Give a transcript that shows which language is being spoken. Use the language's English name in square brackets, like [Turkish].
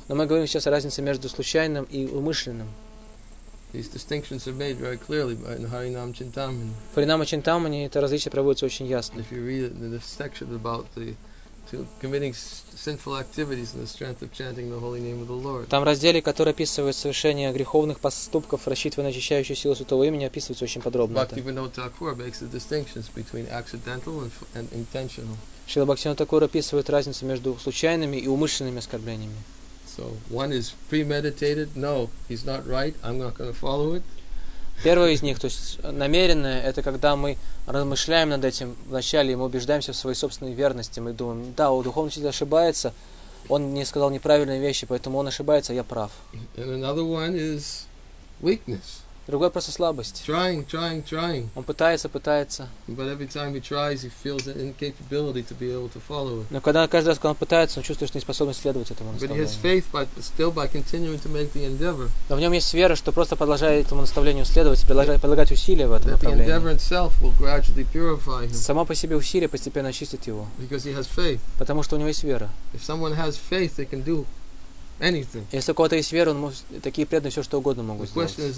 [Russian] Но мы говорим сейчас о разнице между случайным и умышленным. [English] These distinctions are made very clearly by Harinam Chintamani. [Russian] В Харинаме Чинтамани это различие проводится очень ясно. [English] If you read it in the section about the to committing sinful activities and the strength of chanting the holy name of the Lord. [Russian] Там в разделе, который описывает совершение греховных поступков, рассчитывая на очищающую силу Святого Имени, описывается очень подробно. [English] Bhaktivinoda Thakur makes the distinctions between accidental and intentional. [Russian] Шрила Бхактивинода Тхакур описывает разницу между случайными и умышленными оскорблениями. [English] So one is premeditated. No, he's not right. I'm not going to follow it. [Russian] Первое из них, то есть намеренное, это когда мы размышляем над этим вначале, и мы убеждаемся в своей собственной верности. Мы думаем, да, у духовного учителя ошибается, он не сказал неправильные вещи, поэтому он ошибается, я прав. [English] And another one is weakness. [Russian] Другое просто слабость. [English] Trying. [Russian] Он пытается. [English] But every time he tries, he feels an incapability to be able to follow it. [Russian] Но когда каждый раз, когда он пытается, он чувствует, что не способен следовать этому наставлению. [English] But he has faith, but still by continuing to make the endeavor. [Russian] Но в нем есть вера, что просто продолжая этому наставлению следовать, прилагать усилия в этом направлении. [English] That the endeavor itself will gradually purify him. [Russian] Само по себе усилие постепенно очистит его. [English] Because he has faith. [Russian] Потому что у него есть вера. [English] If someone has faith, they can do. Anything. [Russian] Если у кого-то есть вера, он может, такие преданные все что угодно могут сделать.